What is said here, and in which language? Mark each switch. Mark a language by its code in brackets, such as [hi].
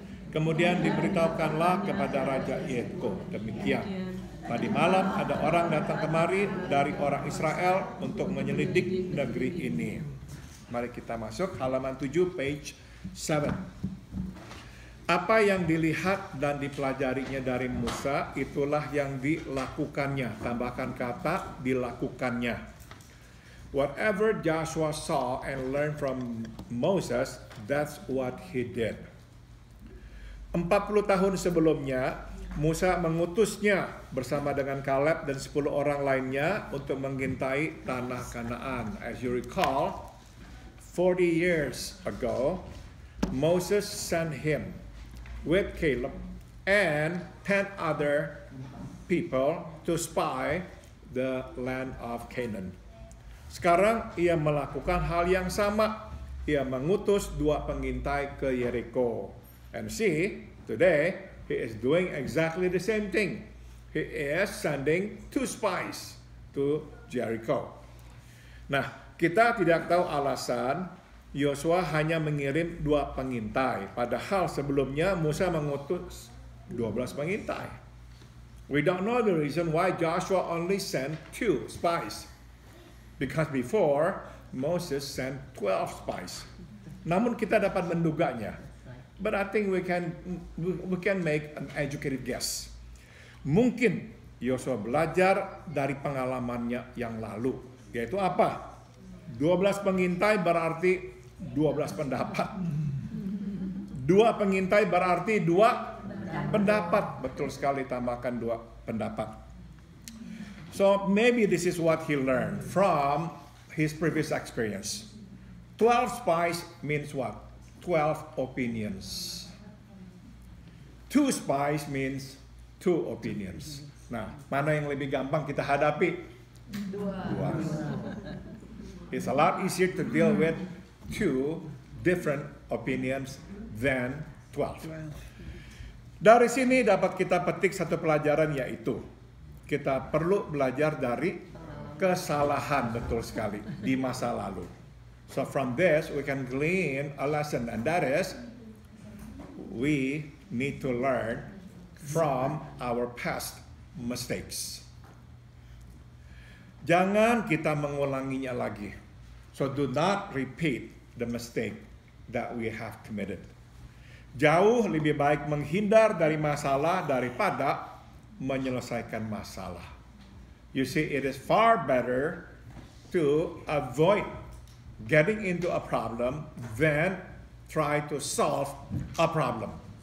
[id] Kemudian diberitahukanlah kepada Raja Yeriko demikian, "Tadi malam ada orang datang kemari dari orang Israel untuk menyelidik negeri ini." Mari kita masuk halaman 7, [en] page 7. [id] Apa yang dilihat dan dipelajarinya dari Musa, itulah yang dilakukannya. Tambahkan kata, dilakukannya. [en] Whatever Joshua saw and learned from Moses, that's what he did. [id] 40 tahun sebelumnya, Musa mengutusnya bersama dengan Caleb dan 10 orang lainnya untuk mengintai tanah Kanaan. [en] As you recall, 40 years ago, Moses sent him with Caleb and 10 other people to spy the land of Canaan. [id] Sekarang ia melakukan hal yang sama. Ia mengutus dua pengintai ke Yeriko. [en] And see, today he is doing exactly the same thing. He is sending two spies to Jericho. [id] Nah, kita tidak tahu alasan Yosua hanya mengirim dua pengintai, padahal sebelumnya Musa mengutus 12 pengintai. [en] We don't know the reason why Joshua only sent two spies, because before Moses sent 12 spies. [id] Namun kita dapat menduganya. [en] But I think we can make an educated guess. [id] Mungkin Yosua belajar dari pengalamannya yang lalu. Yaitu apa? 12 pengintai berarti 12 pendapat. Dua pengintai berarti dua pendapat. Betul sekali, tambahkan dua pendapat. [en] So maybe this is what he learned from his previous experience. 12 spies means what? 12 opinions. Two spies means two opinions. [id] Nah, mana yang lebih gampang kita hadapi? Dua. [en] It's a lot easier to deal with two different opinions than 12. [id] Dari sini dapat kita petik satu pelajaran, yaitu kita perlu belajar dari kesalahan, betul sekali, di masa lalu. [en] So from this we can glean a lesson, and that is we need to learn from our past mistakes. [id] Jangan kita mengulanginya lagi. [en] So do not repeat the mistake that we have committed. [id] Jauh lebih baik menghindar dari masalah daripada menyelesaikan masalah. [en] You see, it is far better to avoid getting into a problem than try to solve a problem.